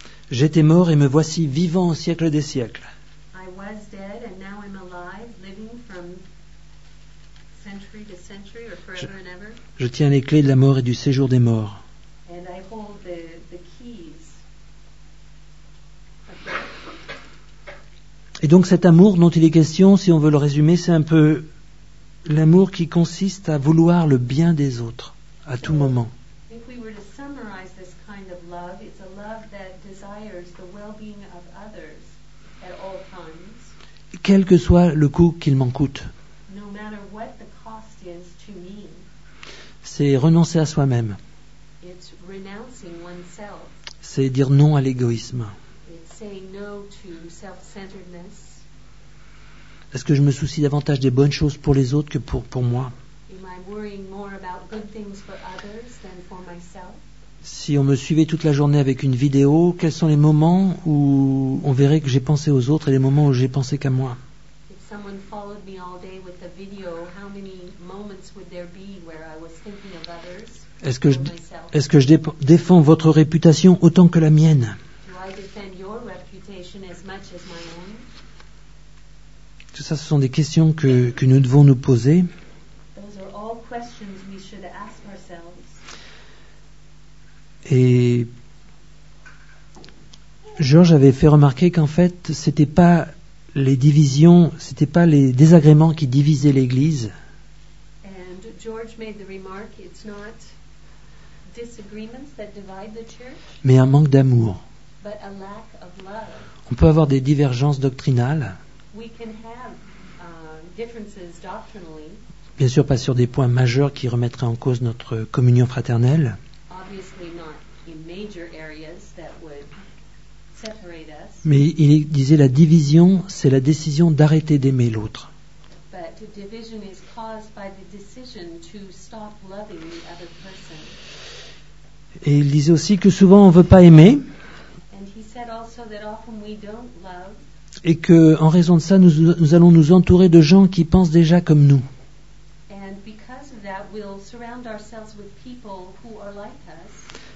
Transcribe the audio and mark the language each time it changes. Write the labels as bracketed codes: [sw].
[fr] J'étais mort et me voici vivant au siècle des siècles. [en] I was dead and now I'm alive, living from century to century or forever and ever. [fr] Je tiens les clés de la mort et du séjour des morts. [en] And I hold the keys. [fr] Et donc cet amour dont il est question, si on veut le résumer, c'est un peu l'amour qui consiste à vouloir le bien des autres à tout moment. [en] If we were to summarize this kind of love, it's a love that desires the well-being of others at all times. [fr] Quel que soit le coût qu'il m'en coûte. [en] No matter what the cost is to me. [fr] C'est renoncer à soi-même. [en] It's renouncing oneself. [fr] C'est dire non à l'égoïsme. [en] It's saying no to self-centeredness. [fr] Est-ce que je me soucie davantage des bonnes choses pour les autres que pour moi? [en] Am I worrying more about good things for others than for myself? [fr] Si on me suivait toute la journée avec une vidéo, quels sont les moments où on verrait que j'ai pensé aux autres et les moments où j'ai pensé qu'à moi? [en] If someone followed me all day with a video, how many moments would there be where I was thinking of others? [fr] Est-ce que je défends votre réputation autant que la mienne? [en] Do I defend your reputation as much as my own? [fr] Tout ça, ce sont des questions que nous devons nous poser. [en] Those are all questions we should ask ourselves. [fr] Et Georges avait fait remarquer qu'en fait, c'était pas les divisions, c'était pas les désagréments qui divisaient l'Église. [en] And George made the remark, it's not disagreements that divide the church, [fr] mais un manque d'amour. [en] But a lack of love. [fr] On peut avoir des divergences doctrinales. [en] We can have, differences doctrinally. [fr] Bien sûr, pas sur des points majeurs qui remettraient en cause notre communion fraternelle. [en] Obviously not in major areas that would separate us. [fr] Mais il disait la division, c'est la décision d'arrêter d'aimer l'autre. [en] But the division is caused by the decision to stop loving the other person. [fr] Et il disait aussi que souvent on ne veut pas aimer. [en] And he said also that often we don't love. [fr] Et que, en raison de ça, nous allons nous entourer de gens qui pensent déjà comme nous. [en] And because of that, we'll surround ourselves with people who are like us.